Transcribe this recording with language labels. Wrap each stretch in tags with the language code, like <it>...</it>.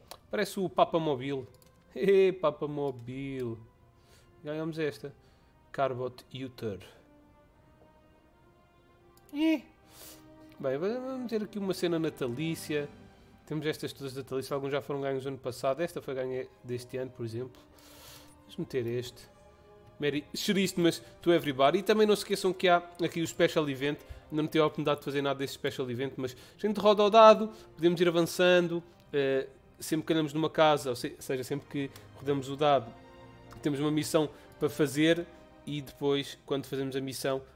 <pt>Parece o Papa Mobile. Papa Mobile. Ganhamos esta. Carbot Uter. Bem, vamos ter aqui uma cena natalícia. Temos estas todas natalícias. Alguns já foram ganhos ano passado. Esta foi ganha deste ano, por exemplo. Vamos meter este.</pt> <en>Merry Christmas to everybody.</en> <pt>E também não se esqueçam que há aqui o Special Event. Ainda não tive a oportunidade de fazer nada desse Special Event. Mas a gente roda o dado. Podemos ir avançando. Sempre que andamos numa casa. Ou seja, sempre que rodamos o dado. Temos uma missão para fazer. E depois, quando fazemos a missão...</pt>